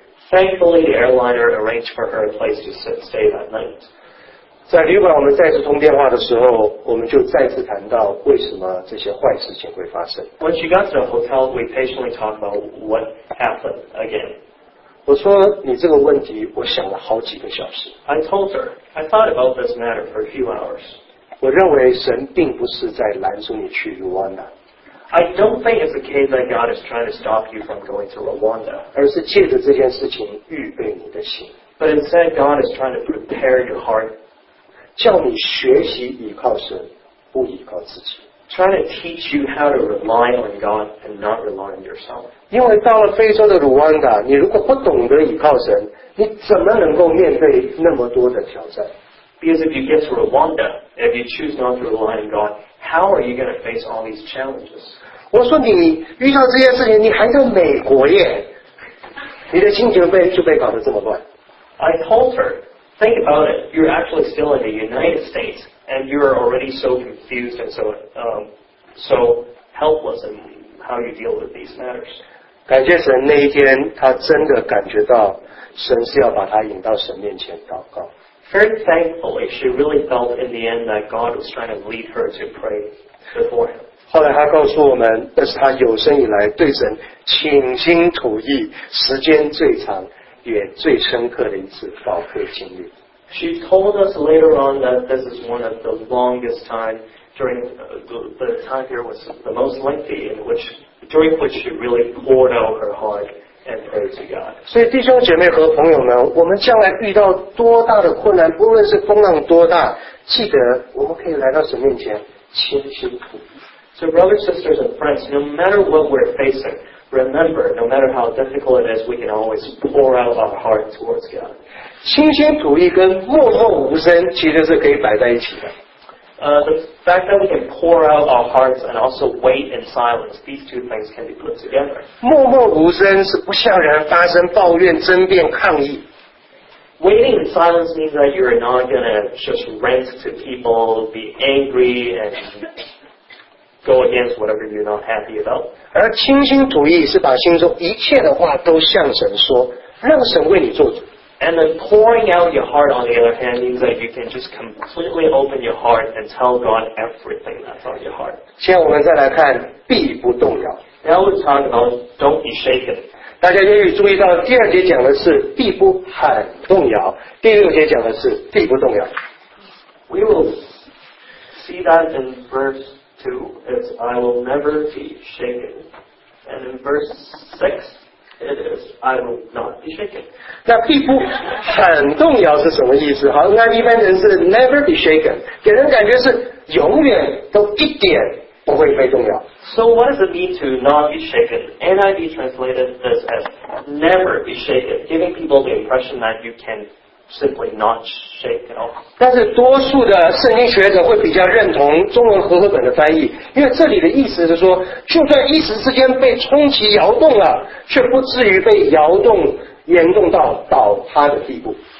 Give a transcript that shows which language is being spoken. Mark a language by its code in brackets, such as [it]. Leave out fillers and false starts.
[en] Thankfully, the airliner arranged for her a place to stay that night. [zh] 在旅馆我们再次通电话的时候，我们就再次谈到为什么这些坏事情会发生。 [en] When she got to the hotel, we patiently talked about what happened again. [zh] 我说你这个问题，我想了好几个小时。 [en] I told her I thought about this matter for a few hours. [zh] 我认为神并不是在拦住你去卢旺达。 [en] I don't think it's the case that God is trying to stop you from going to Rwanda. [zh] 而是借着这件事情预备你的心。 [en] But instead, God is trying to prepare your heart. [zh] 叫你学习依靠神，不依靠自己。 [en] Trying to teach you how to rely on God and not rely on yourself. [zh] 因为到了非洲的卢旺达，你如果不懂得依靠神，你怎么能够面对那么多的挑战？ [en] Because if you get to Rwanda, if you choose not to rely on God,How are you going to face all these challenges? [zh] 我说你遇到这些事情，你还在美国耶，你的心情就被搞得这么乱。 [en] I told her, think about it. You're actually still in the United States, and you're already so confused and so helpless in how you deal with these matters. [zh] 感谢神，那一天他真的感觉到神是要把他引到神面前祷告。 [en] Very thankfully, she really felt in the end that God was trying to lead her to pray before him. [zh] 后来她告诉我们，那是她有生以来对神倾心吐意、时间最长也最深刻的一次祷告经历。 [en] She told us later on that this is one of the longest time during the time here was the most lengthy in which during which she really poured out her heart. And praise God. [zh] 所以弟兄姐妹和朋友们，我们将来遇到多大的困难，不论是风浪多大，记得我们可以来到神面前倾心吐意。 [en] So brothers, sisters, and friends, no matter what we're facing, remember, no matter how difficult it is, we can always pour out our heart towards God. [zh] 倾心吐意跟默默无声其实是可以摆在一起的。 [en] The fact that we can pour out our hearts and also wait in silence, these two things can be put together. [zh] 默默无声是不向人发声抱怨争辩抗议。 [en] Waiting in silence means that you're not going to just rant to people, be angry, and go against whatever you're not happy about. [zh] 而倾心吐意是把心中一切的话都向神说，让神为你做主。 [en] And then pouring out your heart, on the other hand, means that you can just completely open your heart and tell God everything that's on your heart. [zh] 现在我们再来看必不动摇。 [en] Now we talk about don't be shaken. [zh] 大家也许注意到第二节讲的是必不喊动摇，第六节讲的是必不动摇。 [en] We will see that in verse 2 is I will never be shaken. And in verse 6,It is. I will not be shaken. [zh] 那必不喊动摇是什么意思？好，那一般人是 [en] never be shaken， [zh] 给人感觉是永远都一点不会被动摇。 [en] So what does it mean to not be shaken? NIV translated this as never be shaken, giving people the impression that you can simply not shake at all. [zh] 但是多数的圣经学者会比较认同中文和合本的翻译，因为这里的意思是说，就算一时之间被冲击摇动了。却不至于被摇动严重到倒塌的地步。